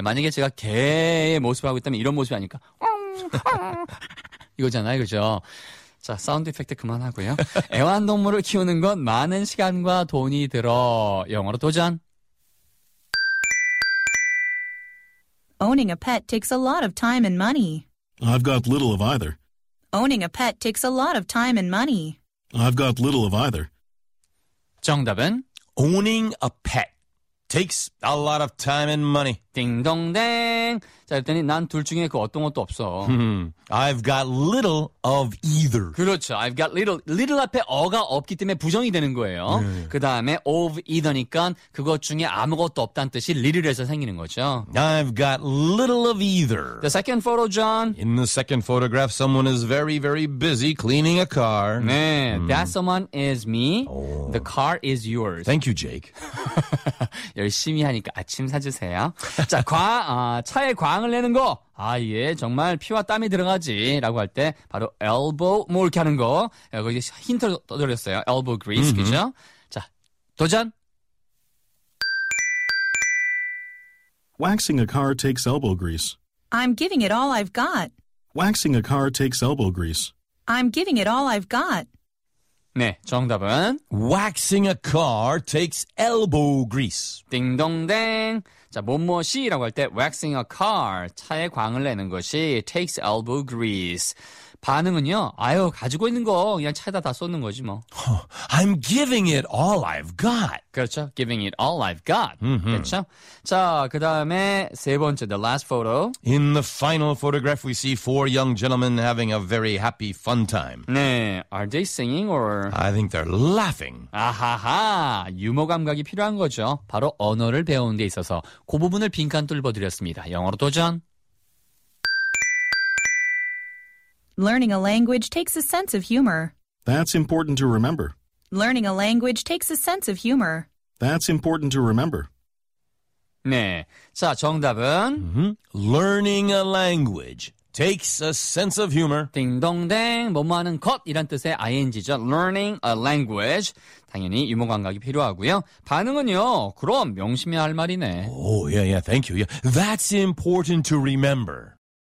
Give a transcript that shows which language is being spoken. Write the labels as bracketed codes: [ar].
[ko] 만약에 제가 개의 모습을 하고 있다면 이런 모습이 아닐까. 이거잖아요, 그죠? 자, 사운드 이펙트 그만하고요. 애완동물을 키우는 건 많은 시간과 돈이 들어. 영어로 도전. [en] Owning a pet takes a lot of time and money. I've got little of either. Owning a pet takes a lot of time and money. I've got little of either. [ko] 정답은 [en] owning a pet takes a lot of time and money. [ko] 딩동댕. 자, 그랬더니 난 둘 중에 그 어떤 것도 없어. [en] I've got little of either. [ko] 그렇죠. [en] I've got little. [ko] little 앞에 어가 없기 때문에 부정이 되는 거예요. 그 다음에 of either니까 그것 중에 아무것도 없다는 뜻이 little에서 생기는 거죠. [en] I've got little of either. The second photo, John. In the second photograph, someone is very, very busy cleaning a car. [ko] 네. [en] That someone is me. The car is yours. Thank you, Jake. [ko] 열심히 하니까 아침 사주세요. 자, 차에 광을 내는 거. 아, 예, 정말 피와 땀이 들어가지. 라고 할 때, 바로 elbow, 뭐 이렇게 하는 거. 거기 힌트를 떠드렸어요. [en] elbow grease, 그죠? [ko] 자, 도전! [en] Waxing a car takes elbow grease. I'm giving it all I've got. Waxing a car takes elbow grease. I'm giving it all I've got. [ko] 네, 정답은 [en] Waxing a car takes elbow grease. [ko] 딩동댕. 자, 뭐뭐시라고 할 때 [en] Waxing a car, [ko] 차에 광을 내는 것이 [en] takes elbow grease. [ko] 반응은요, 아유, 가지고 있는 거 그냥 차에다 다 쏟는 거지 뭐. [en] I'm giving it all I've got. [ko] 그렇죠, [en] giving it all I've got. [ko] 그렇죠. 자, 그 다음에 세 번째, [en] the last photo. In the final photograph, we see four young gentlemen having a very happy fun time. [ko] 네, [en] are they singing or? I think they're laughing. [ko] 아하하, 유머 감각이 필요한 거죠. 바로 언어를 배우는 데 있어서 그 부분을 빈칸 뚫어드렸습니다. 영어로 도전. [en] Learning a language takes a sense of humor. That's important to remember. Learning a language takes a sense of humor. That's important to remember. [ko] 네. 자, 정답은 [en] Learning a language takes a sense of humor. [ko] 딩동댕. 뭐뭐하는 것이란 뜻의 ing죠. [en] Learning a language. [ko] 당연히 유머 감각이 필요하고요. 반응은요. 그럼 명심해야 할 말이네. [en] Oh, yeah, yeah. Thank you. Yeah. That's important to remember.